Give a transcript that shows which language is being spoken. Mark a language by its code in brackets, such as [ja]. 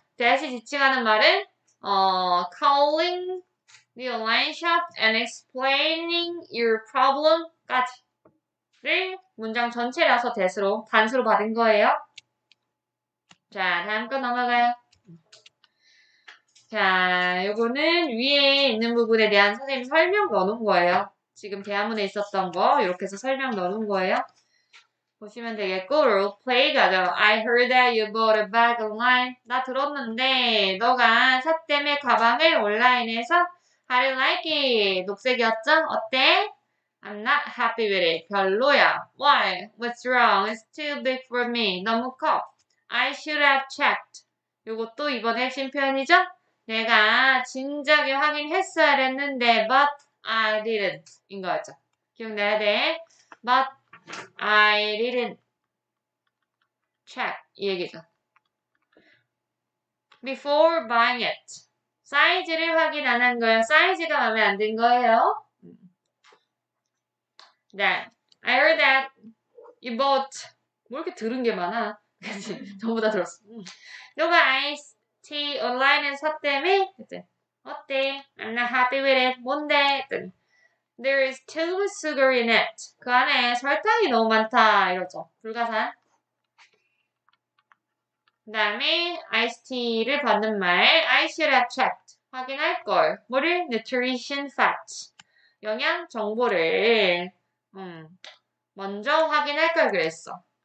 [ko] that이 지칭하는 말은 [en] calling the online shop and explaining your problem [ko] 까지를 문장 전체라서 that으로 단수로 받은 거예요. 자, 다음 거 넘어가요. 자, 요거는 위에 있는 부분에 대한 선생님 설명 넣은 거예요. 지금 대화문에 있었던 거, 이렇게 해서 설명 넣은 거예요. 보시면 되겠고, role play 가죠. [en] I heard that you bought a bag online. [ko] 나 들었는데, 너가 샀다며 가방을 온라인에서 [en] I like it. [ko] 녹색이었죠? 어때? [en] I'm not happy with it. [ko] 별로야. [en] Why? What's wrong? It's too big for me. [ko] 너무 커. [en] I should have checked. [ko] 요것도 이번에 핵심 표현이죠? 내가 진작에 확인했어야 했는데, [en] but I didn't. [ko] 인 거죠. 기억나야 돼. [en] But I didn't check. [ko] 이 얘기죠. [en] Before buying it. [ko] 사이즈를 확인 안한 거예요. 사이즈가 마음에 안든 거예요. 네. [en] I heard that you bought. [ko] 뭐 이렇게 들은 게 많아? 그치? 전부 다 들었어. 너가 아이스. T 온라인에 샀다며? 어때? [en] I'm not happy with it. [ko] 뭔데? 했더니, [en] There is too much sugar in it. [ko] 그 안에 설탕이 너무 많다. 이러죠. 불가사. 그 다음에 아이스티를 받는 말. [en] I should have checked. [ko] 확인할 걸. 뭐를? [en] Nutrition facts. [ko] 영양 정보를 먼저 확인할 걸 그랬어.